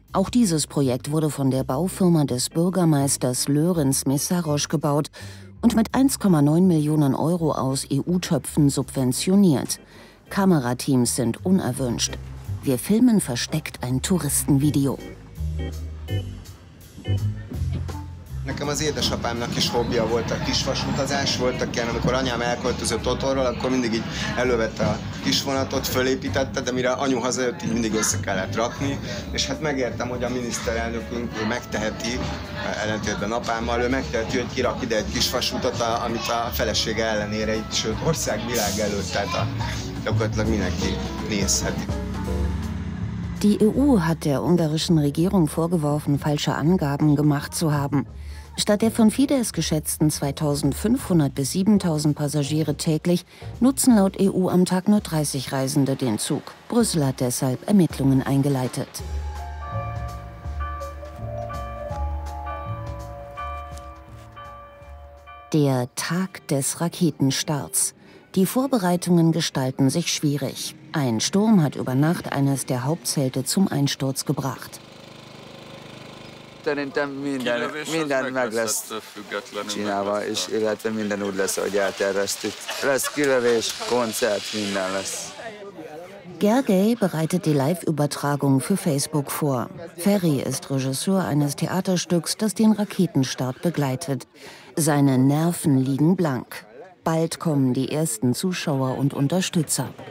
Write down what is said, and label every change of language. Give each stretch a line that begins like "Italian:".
German: Auch dieses Projekt wurde von der Baufirma des Bürgermeisters Lörenz Messarosch gebaut und mit 1,9 Millionen Euro aus EU-Töpfen subventioniert. Kamerateams sind unerwünscht. Wir filmen versteckt ein Touristenvideo.
Hungarian: Nekem az édesapámnak is hobbija volt a kisvasutazás, voltak ilyen, amikor anyám elköltözött otthonról, akkor mindig így elővette a kisvonatot, fölépítette, de mire anyu hazajött, így mindig össze kellett rakni, és hát megértem, hogy a miniszterelnökünk megteheti, ellentétben apámmal, ő megteheti, hogy kirak ide egy kisvasutat, amit a felesége ellenére, így, sőt országvilág előtt, tehát gyakorlatilag mindenki nézheti.
German: Die EU hat der ungarischen Regierung vorgeworfen, falsche Angaben gemacht zu haben. Statt der von Fidesz geschätzten 2.500 bis 7.000 Passagiere täglich nutzen laut EU am Tag nur 30 Reisende den Zug. Brüssel hat deshalb Ermittlungen eingeleitet. Der Tag des Raketenstarts. Die Vorbereitungen gestalten sich schwierig. Ein Sturm hat über Nacht eines der Hauptzelte zum Einsturz gebracht.
Hungarian: Szerintem minden meg lesz csinálva, és illetve minden úgy lesz, ahogy elterveztük. Lesz kilövés, koncert, minden lesz.
German: Gergely bereitet die Live-Übertragung für Facebook vor. Ferry ist Regisseur eines Theaterstücks, das den Raketenstart begleitet. Seine Nerven liegen blank. Bald kommen die ersten Zuschauer und Unterstützer.